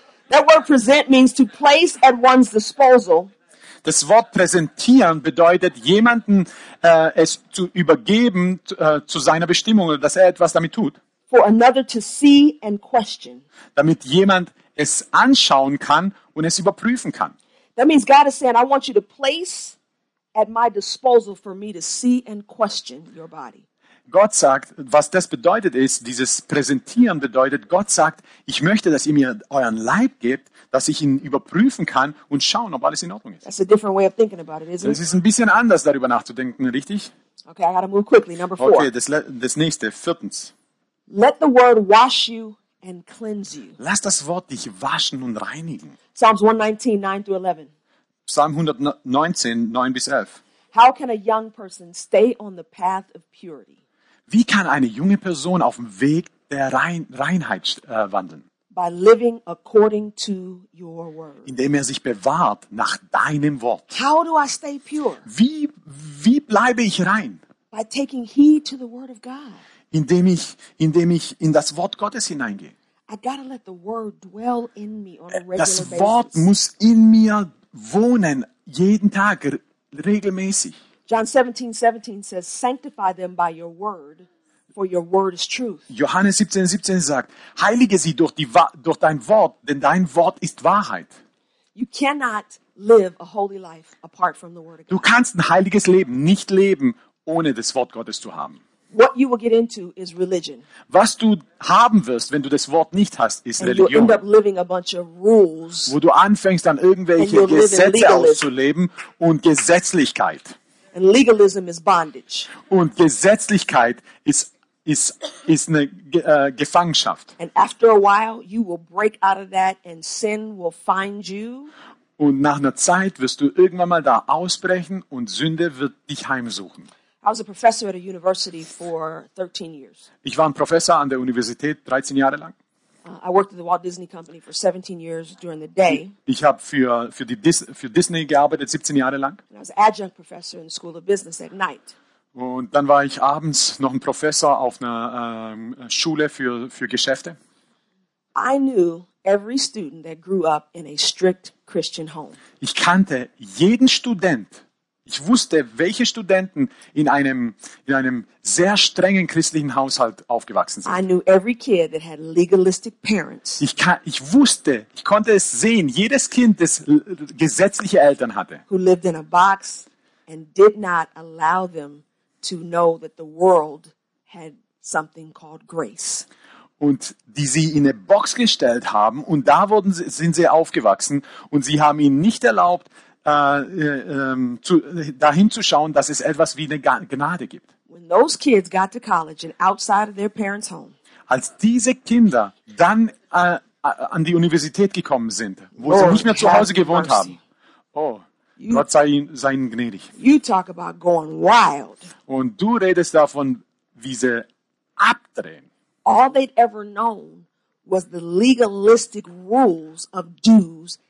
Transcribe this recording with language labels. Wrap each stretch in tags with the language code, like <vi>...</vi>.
<en>That word present means to place at one's disposal.</en> <de>Das Wort präsentieren bedeutet, jemanden es zu übergeben zu seiner Bestimmung, dass er etwas damit tut.</de> <en>For another to see and question.</en> <de>Damit jemand es anschauen kann und es überprüfen kann.</de> <en>That means God is saying, I want you to place at my disposal for me to see and question your body.</en> <de>Gott sagt, was das bedeutet ist, dieses Präsentieren bedeutet, Gott sagt, ich möchte, dass ihr mir euren Leib gebt, dass ich ihn überprüfen kann und schauen, ob alles in Ordnung ist.</de> <en>That's a different way of thinking about it, isn't it?</en> <de>Das ist ein bisschen anders, darüber nachzudenken, richtig?</de> <en>Okay, I gotta move quickly, number four.</en> <de>Okay, das nächste, viertens.</de> <en>Let the word wash you and cleanse you.</en> <de>Lass das Wort dich waschen und reinigen.</de> <en>Psalms 119, 9 through 11.</en> <de>Psalm 119, 9 bis 11.</de> <en>How can a young person stay on the path of purity?</en> <de>Wie kann eine junge Person auf dem Weg der Reinheit wandeln?</de> <en>By living according to your word.</en> <de>Indem er sich bewahrt nach deinem Wort.</de> <en>How do I stay pure?</en> <de>Wie bleibe ich rein?</de> <en>By taking heed to the word of God.</en> <de>Indem ich in das Wort Gottes hineingehe.</de> <en>I gotta let the word dwell in me on a regular basis.</en> <de>Das Wort muss in mir wohnen, jeden Tag, regelmäßig.</de> <en>John 17:17 says, sanctify them by your word, for your word is truth.</en> <de>Johannes 17:17 sagt, heilige sie durch dein Wort, denn dein Wort ist Wahrheit.</de> <en>You cannot live a holy life apart from the word of God.</en> <de>Du kannst ein heiliges Leben nicht leben, ohne das Wort Gottes zu haben.</de> <en>What you will get into is religion.</en> <de>Was du haben wirst, wenn du das Wort nicht hast, ist Religion.</de> <en>End up living a bunch of rules,</en> <de>wo du anfängst, dann irgendwelche Gesetze auszuleben und Gesetzlichkeit.</de> <en>And legalism is bondage.</en> <de>Und Gesetzlichkeit ist eine Gefangenschaft.</de> <en>And after a while, you will break out of that and sin will find you.</en> <de>Und nach einer Zeit wirst du irgendwann mal da ausbrechen und Sünde wird dich heimsuchen.</de> <en>I was a professor at a university for 13 years.</en> <de>Ich war ein Professor an der Universität 13 Jahre lang.</de> <en>I worked at the Walt Disney Company for 17 years during the day.</en> <de>Ich habe für Disney gearbeitet 17 Jahre lang.</de> <en>And I was an adjunct professor in the School of Business at night.</en> <de>Und dann war ich abends noch ein Professor auf einer Schule für Geschäfte.</de> <en>I knew every student that grew up in a strict Christian home.</en> <de>Ich kannte jeden Student. Ich wusste, welche Studenten in einem sehr strengen christlichen Haushalt aufgewachsen sind.</de> <en>I knew every kid that had legalistic parents.</en> <de>Ich konnte es sehen, jedes Kind, das gesetzliche Eltern hatte.</de> <en>Who lived in a box and did not allow them to know that the world had something called grace.</en> <de>Und die sie in eine Box gestellt haben und da sind sie aufgewachsen und sie haben ihnen nicht erlaubt, dahin zu schauen, dass es etwas wie eine Gnade gibt.</de> <en>When those kids got to college and outside of their parents' home,</en> <de>als diese Kinder dann an die Universität gekommen sind, wo Lord, sie nicht mehr zu Hause gewohnt haben,</de> <en>oh, you,</en> <de>Gott sei ihnen gnädig.</de> <en>You talk about going wild.</en> <de>Und du redest davon, wie sie abdrehen.</de> <en>All they'd ever known was the legalistic rules of do's.</en>